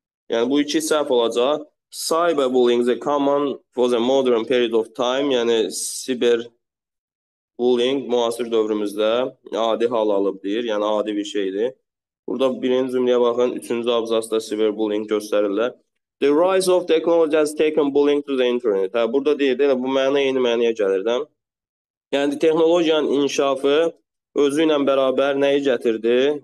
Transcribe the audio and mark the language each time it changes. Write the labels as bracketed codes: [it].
[az] Yəni, bu iki səhv olacaq. [en] Cyberbullying is a common for the modern period of time, [az] yəni siber bullying müasir dövrümüzdə adi hal alıb deyir, yəni adi bir şeydir. Burada birinci cümləyə baxın, üçüncü abzasda cyberbullying göstərirlər. [en] The rise of technology has taken bullying to the internet. [az] Hə, burada deyir, deyil, bu mənə yeni mənaya gəlir də. Yəni, texnologiyanın inkişafı özü ilə bərabər nəyi gətirdi?